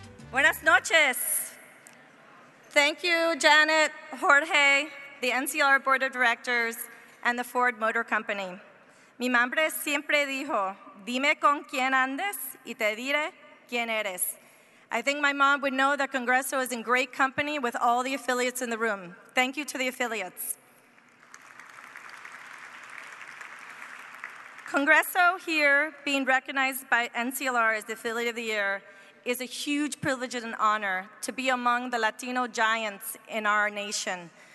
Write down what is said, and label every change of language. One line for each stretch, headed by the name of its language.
Spanish: Buenas noches.
English: Thank you, Janet, Jorge, the NCLR Board of Directors, and the Ford Motor Company.
Spanish: Mi madre siempre dijo, dime con quién andes y te diré quién eres.
English: I think my mom would know that Congreso is in great company with all the affiliates in the room. Thank you to the affiliates. Congreso here being recognized by NCLR as the Affiliate of the Year is a huge privilege and an honor to be among the Latino giants in our nation.